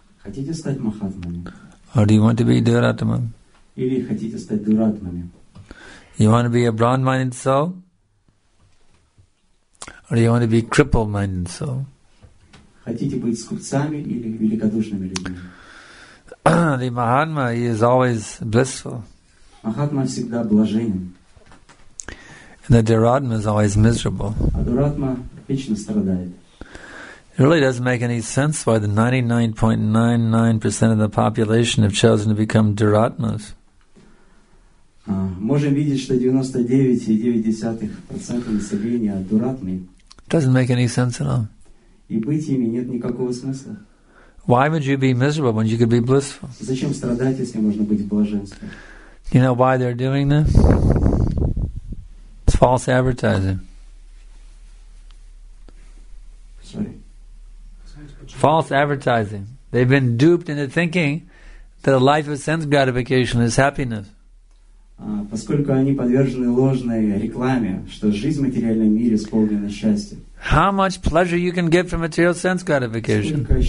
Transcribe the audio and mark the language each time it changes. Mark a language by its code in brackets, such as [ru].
[ru] Хотите стать Махатманом? [en] Or do you want to be Дуратман? [ru] Или хотите стать Дуратманом? [en] You want to be a broad-minded soul? Or do you want to be crippled-minded soul? The Mahatma, he is always blissful. [ru] Mahatma всегда блаженен. [en] And the Dharatma is always miserable. [ru] А Дуратма вечно страдает. [en] It really doesn't make any sense why the 99.99% of the population have chosen to become Dharatmas. [ru] Можем видеть, что 99.9% населения Дуратмы. [en] It doesn't make any sense at all. [ru] И быть ими нет никакого смысла. [en] Why would you be miserable when you could be blissful? [ru] Зачем страдать, если можно быть в блаженстве? [en] You know why they're doing this? It's false advertising. Sorry. False advertising. They've been duped into thinking that a life of sense gratification is happiness. [ru] Поскольку они подвержены ложной рекламе, что жизнь в материальном мире исполнена счастья. [en] How much pleasure you can get from material sense gratification?